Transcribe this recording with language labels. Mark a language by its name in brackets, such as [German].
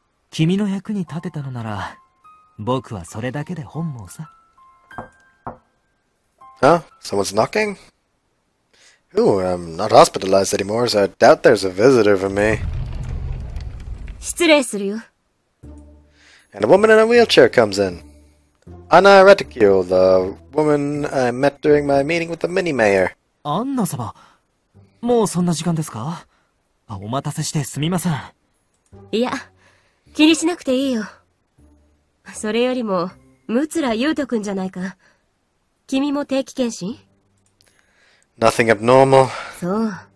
[Japanese] 君の役に立てたのなら、僕はそれだけで本望さ。 [English] Huh? Someone's knocking? Ooh, I'm not hospitalized anymore, so I doubt there's a visitor for me. [Japanese] 失礼するよ。 [English] And a woman in a wheelchair comes in. Anna Reticule, the woman I met during my meeting with the mini-mayor. [Japanese] Anna 様、もうそんな時間ですか？お待たせしてすみません。いや、気にしなくていいよ。それよりも、ムツラ・ユートくんじゃないか。君も定期検診？ [English] Nothing abnormal. [Japanese] そう。